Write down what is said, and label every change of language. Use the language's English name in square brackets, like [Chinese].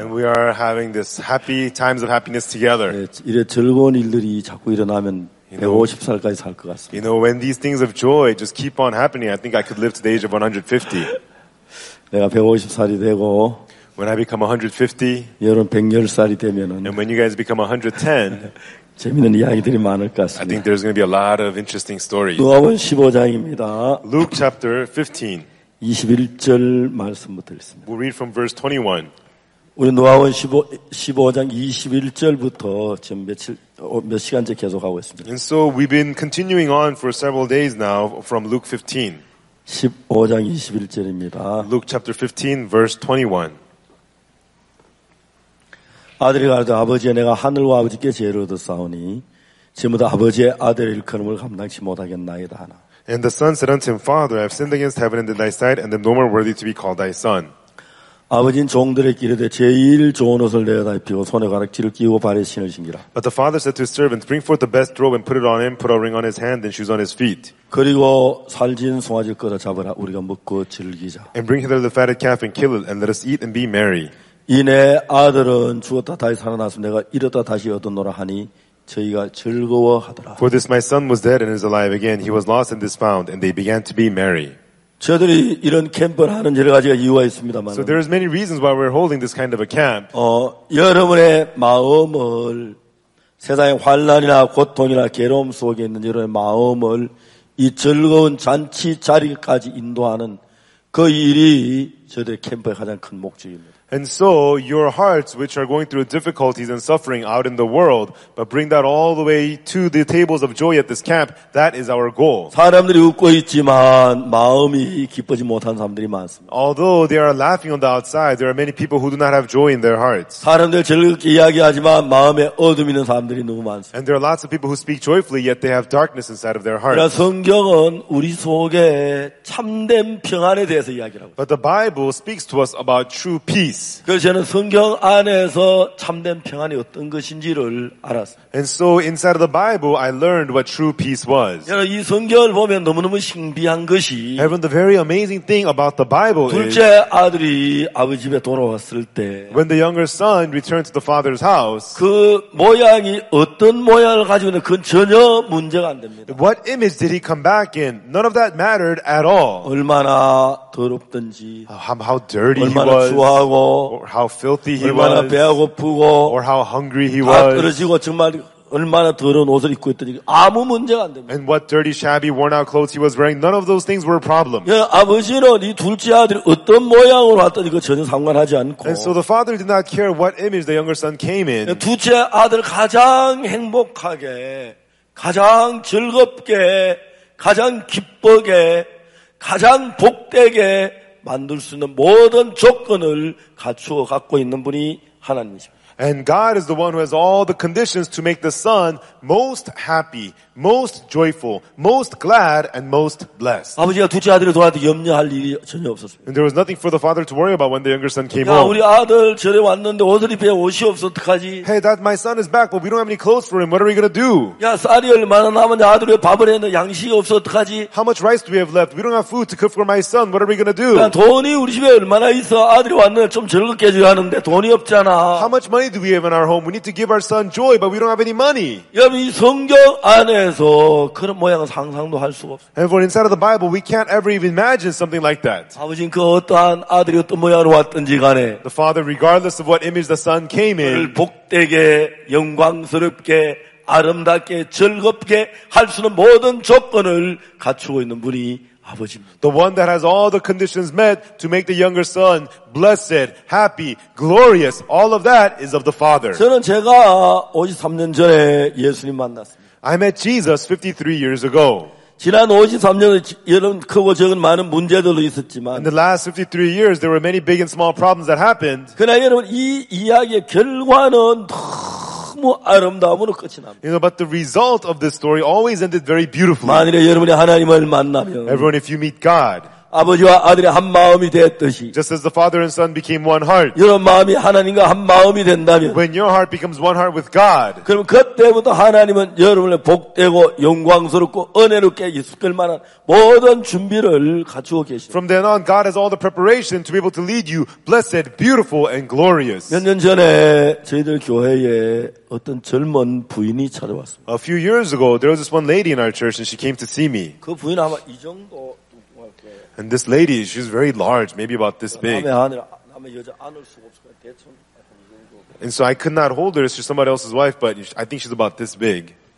[English] And we are having this happy times of happiness together. [Korean] 예, 이래 즐거운 일들이 자꾸 일어나면 150살까지 살 것 같습니다. [English] You know, when these things of joy just keep on happening, I think I could live to the age of 150. [Korean] 내가 150살이 되고 [English] When I become 150, [Korean] 여러분 110살이 되면은, [English] and when you guys become 110, [Korean] 재미있는 이야기들이 많을 것 같습니다. [English] I think there's going to be a lot of interesting stories. [Korean] 누가복음 15장입니다. [English] Luke chapter 15, [Korean] 21절 말씀부터 읽습니다. [English] We'll read from verse 21. [Korean] 우리 누가복음 15장 21절부터 지금 몇 시간째 계속하고 있습니다. [English] And so we've been continuing on for several days now from Luke 15. [Korean] 15장 21절입니다. [English] Luke chapter 15, verse 21. [Korean] 아들이 가르쳐 아버지의 내가 하늘과 아버지께 죄를 얻었사오니 지금부터 아버지의 아들의 일컬음을 감당치 못하겠나이다 하나. [English] And the son said unto him, Father, I have sinned against heaven and in thy sight, and am no more worthy to be called thy son. [Korean] 아버지는 종들에게 이르되 제일 좋은 옷을 내어다 입히고 손에 가락지를 끼고 발에 신을 신기라. [English] But the father said to his servants, Bring forth the best robe and put it on him, put a ring on his hand and shoes on his feet. [Korean] 그리고 살진 송아지를 끌어 잡으라 우리가 먹고 즐기자. [English] And bring hither the fatted calf and kill it, and let us eat and be merry. [Korean] 이내 아들은 죽었다 다시 살아났으니 내가 잃었다 다시 얻었노라 하니 저희가 즐거워하더라. [English] For this my son was dead and is alive again. He was lost and is found, and they began to be merry. [Korean] 저들이 이런 캠프를 하는 여러 가지가 이유가 있습니다만. [English] So there is many reasons why we're holding this kind of a camp. [Korean] 여러분의 마음을 세상의 환난이나 고통이나 괴로움 속에 있는 여러분의 마음을 이 즐거운 잔치 자리까지 인도하는 그 일이 저들의 캠프의 가장 큰 목적입니다. [English] And so your hearts, which are going through difficulties and suffering out in the world, but bring that all the way to the tables of joy at this camp, that is our goal. [Korean] 사람들이 웃고 있지만 마음이 기쁘지 못한 사람들이 많습니다. [English] Although they are laughing on the outside, there are many people who do not have joy in their hearts. [Korean] 사람들 즐겁게 이야기하지만 마음에 어둠 있는 사람들이 너무 많습니다. [English] And there are lots of people who speak joyfully, yet they have darkness inside of their hearts. [Korean] 그러나 성경은 우리 속에 참된 평안에 대해서 이야기하고 있어요. [English] But the Bible speaks to us about true peace. [Korean] 그래서 저는 성경 안에서 참된 평안이 어떤 것인지를 알았어요. [English] And so inside of the Bible, I learned what true peace was. [Korean] 여러분 이 성경을 보면 너무너무 신비한 것이. [English] Everyone, the very amazing thing about the Bible is. [Korean] 둘째 아들이 아버지 집에 돌아왔을 때. [English] When the younger son returned to the father's house. [Korean] 그 모양이 어떤 모양을 가지고 있는 그건 전혀 문제가 안 됩니다. [English] What image did he come back in? None of that mattered at all. [Korean] 얼마나 더럽든지. [English] How dirty he was. [Korean] 추하고, [English] or how filthy he [Korean] 얼마나 [English] was. [Korean] 얼마나 배고프고. [English] Or how hungry he was. [Korean] 다 떨어지고 정말 얼마나 더러운 옷을 입고 있던지 아무 문제가 안 됩니다. [English] And what dirty, shabby, worn-out clothes he was wearing, none of those things were a problem. [Korean] 예, 아버지는 이 둘째 아들이 어떤 모양으로 왔던지 그 전혀 상관하지 않고. [English] And so the father did not care what image the younger son came in. [Korean] 예, 둘째 아들 가장 행복하게, 가장 즐겁게, 가장 기쁘게. 가장 복되게 만들 수 있는 모든 조건을 갖추어 갖고 있는 분이 하나님이십니다. [English] And God is the one who has all the conditions to make the son most happy, most joyful, most glad, and most blessed. [Korean] 아버지가 둘째 아들을 돌아와서 염려할 일이 전혀 없었습니다. [English] And there was nothing for the father to worry about when the younger son came home. [Korean] 야, 우리 아들 절에 왔는데 옷을 입혀야 옷이 없어 어떡하지? [English] Hey, that my son is back, but we don't have any clothes for him. What are we going to do? [Korean] 야, 쌀이 얼마나 남았냐? 아들이 밥을 했는데 양식이 없어 어떡하지? [English] How much rice do we have left? We don't have food to cook for my son. What are we going to do? [Korean] 야, 돈이 우리 집에 얼마나 있어? 아들이 왔는데 좀 즐겁게 해줘야 하는데 돈이 없잖아. [English] How much money do we have in our home? We need to give our son joy, but we don't have any money. [Korean] 여러분, 이 성경 안에서 그런 모양을 상상도 할 수가 없어요. [English] And for inside of the Bible, we can't ever even imagine something like that. [Korean] 아버지, 그 어떠한 아들이 어떤 모양으로 왔든지 간에 [English] the father, regardless of what image the son came in, [Korean] 그를 복되게, 영광스럽게, 아름답게, 즐겁게 할 수 있는 모든 조건을 갖추고 있는 분이 [English] The one that has all the conditions met to make the younger son blessed, happy, glorious, all of that is of the Father. [Korean] 저는 제가 53년 전에 예수님 만났습니다. [English] I met Jesus 53 years ago. [Korean] 지난 53년에 여러분 크고 적은 많은 문제들도 있었지만 [English] In the last 53 years, there were many big and small problems that happened. [Korean] 그러나 여러분 이 이야기의 결과는 너무 아름다움으로 끝이 납니다. [English] You know, but the result of this story always ended very beautifully. [Korean] 만일에 여러분이 하나님을 만나면 [English] Everyone, if you meet God, [Korean] 아버지와 아들의 한 마음이 되었듯이 [English] just as the father and son became one heart [Korean] 여러분 마음이 하나님과 한 마음이 된다면 [English] when your heart becomes one heart with God [Korean] 그럼 그때부터 하나님은 여러분을 복되고 영광스럽고 은혜롭게 이끌 만한 모든 준비를 갖추고 계십니다. [English] From then on God has all the preparation to be able to lead you blessed, beautiful and glorious. [Korean] 몇 년 전에 저희들 교회에 어떤 젊은 부인이 찾아왔습니다. [English] A few years ago there was this one lady in our church and she came to see me. [Korean] 그 부인 아마 이 정도 [English] And this lady, she's very large, maybe about this big. And so I could not hold her, she's somebody else's wife, but I think she's about this big.